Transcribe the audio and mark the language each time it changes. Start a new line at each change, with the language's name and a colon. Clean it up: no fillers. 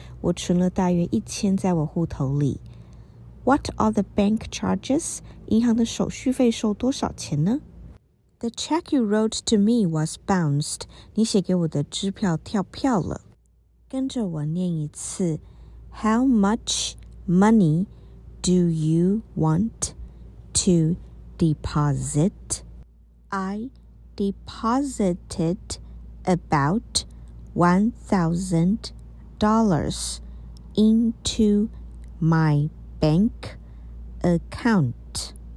Chinese: 我存了大约1000在我户头里。
English: What are the bank charges?
Chinese: 银行的手续费收多少钱呢?
English: The check you wrote to me was bounced.
Chinese: 你写给我的支票跳票了。跟着我念一次。
English: How much money do you want to deposit? I deposited about $1,000 into my bank account.